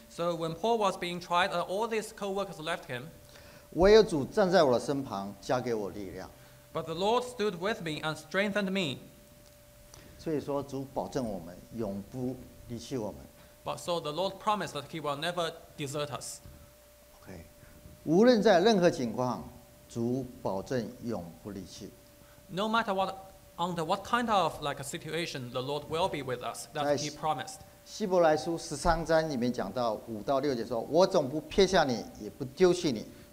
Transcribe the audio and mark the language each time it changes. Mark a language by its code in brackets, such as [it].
[en] So when Paul was being tried, all these co-workers left him. [zh] 唯有主站在我的身旁，加给我力量。 [en] But the Lord stood with me and strengthened me. [zh] 所以说，主保证我们永不离弃我们。 [en] But so the Lord promised that He will never desert us. [zh] Okay, 无论在任何情况，主保证永不离弃。 [en] No matter what, under what kind of like a situation, the Lord will be with us. That He promised. [zh] 希伯来书十三章里面讲到五到六节说：“我总不撇下你，也不丢弃你。”